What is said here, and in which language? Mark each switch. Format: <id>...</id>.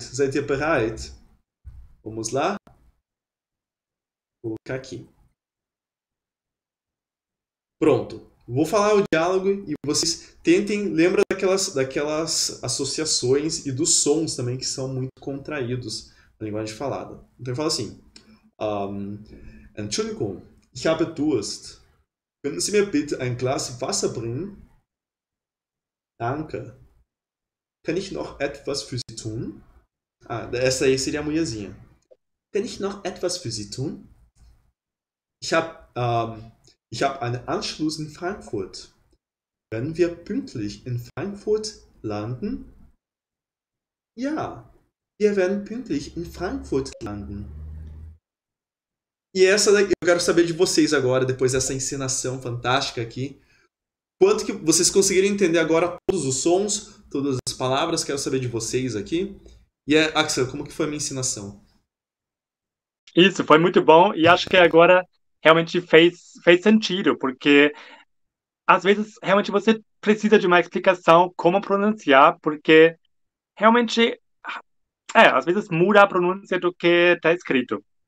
<de>Seid ihr bereit?</de> <pt>Vamos lá? Vou colocar aqui. Pronto. Vou falar o diálogo e vocês tentem, lembra daquelas associações e dos sons também que são muito contraídos na linguagem falada. Então eu falo assim:</pt> <de>Entschuldigung, ich habe Durst. Können Sie mir bitte ein Glas Wasser bringen? Danke. Kann ich noch etwas für Sie tun?</de> <pt>Ah, essa aí seria a mulherzinha.</pt> <de>Kann ich noch etwas für Sie tun? Ich hab einen Anschluss in Frankfurt. Können wir pünktlich in Frankfurt landen? Ja, wir werden pünktlich in Frankfurt landen.</de> <pt>E essa daqui, eu quero saber de vocês agora, depois dessa encenação fantástica aqui. Quanto que vocês conseguiram entender agora todos os sons, todas as palavras? Quero saber de vocês aqui. E é, Axel, como que foi a minha encenação? Isso, foi muito bom e acho que agora realmente fez sentido, porque às vezes realmente você precisa de uma explicação como pronunciar, porque realmente às vezes muda a pronúncia do que está escrito.</pt>